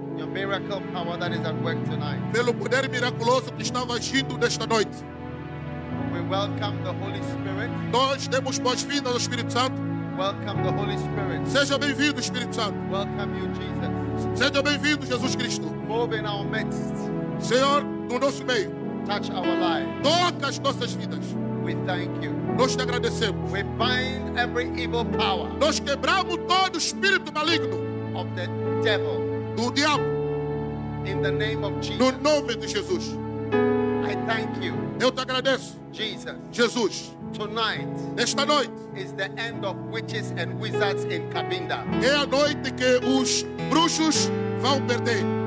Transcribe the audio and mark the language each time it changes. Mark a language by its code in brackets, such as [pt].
[en] Your miracle power that is at work tonight. [pt] Pelo poder miraculoso que estava agindo nesta noite. [en] Welcome the Holy Spirit. [pt] Nós demos boas-vindas ao Espírito Santo. [en] Welcome the Holy Spirit. [pt] Seja bem-vindo, Espírito Santo. [en] Welcome you, Jesus. [pt] Seja bem-vindo, Jesus Cristo. [en] Move in our midst. [pt] Senhor, no nosso meio. [en] Touch our lives. [pt] Toca as nossas vidas. [en] We thank you. [pt] Nós te agradecemos. [en] We bind every evil power. [pt] Nós quebramos todo espírito maligno. [en] Of the devil. [pt] Do diabo. [en] In the name of Jesus. [pt] No nome de Jesus. [en] Thank you. [pt] Eu te agradeço. [en] Jesus. [pt] Jesus. [en] Tonight. [pt] Esta noite. [en] Is the end of witches and wizards in Cabinda. [pt] É a noite que os bruxos vão perder.